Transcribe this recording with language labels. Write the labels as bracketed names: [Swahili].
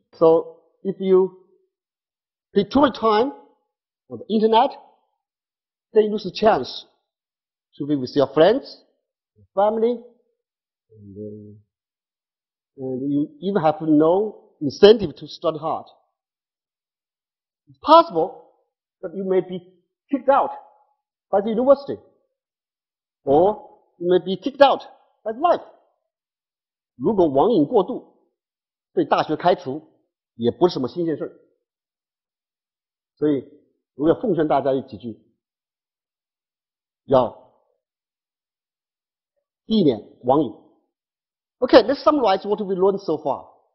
[English] So if you pay too much time on the internet, then you lose the chance to be with your friends, your family, and you even have no incentive to study hard. It's possible that you may be kicked out by the university, or you may be kicked out. That's life. [Chinese] 如果网瘾过度被大学开除也不是什么新鲜事。所以我要奉劝大家一几句，要避免网瘾。 [English] OK, let's summarize what we learned so far.